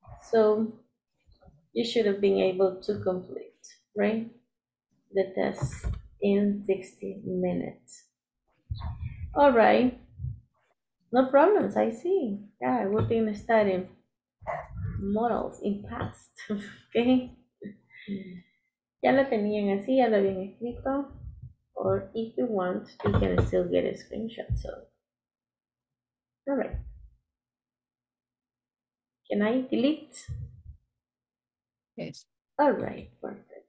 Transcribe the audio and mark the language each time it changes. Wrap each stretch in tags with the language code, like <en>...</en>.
<en>So you should have been able to complete, right, the test in 60 minutes. All right. No problems, I see. Yeah, I would be studying models in past, okay?</en> <es>Ya lo tenían así, ya lo habían escrito.</es> <en>Or if you want, you can still get a screenshot, so. All right. Can I delete? Yes. All right, perfect.</en>